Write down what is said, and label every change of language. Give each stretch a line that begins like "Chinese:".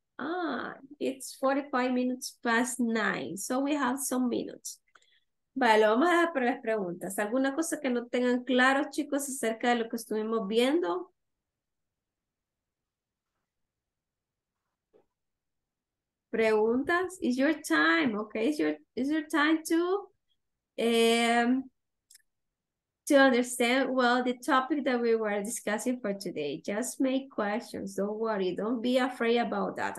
English: Ah, it's 45 minutes past 9, so we have some minutes.
Spanish: Vale, lo vamos a dar para las preguntas. ¿Alguna cosa que no tengan claro, chicos, acerca de lo que estuvimos viendo?
English: Preguntas, it's your time, okay, it's your time to understand, well, the topic that we were discussing for today. Just make questions, don't worry, don't be afraid about that.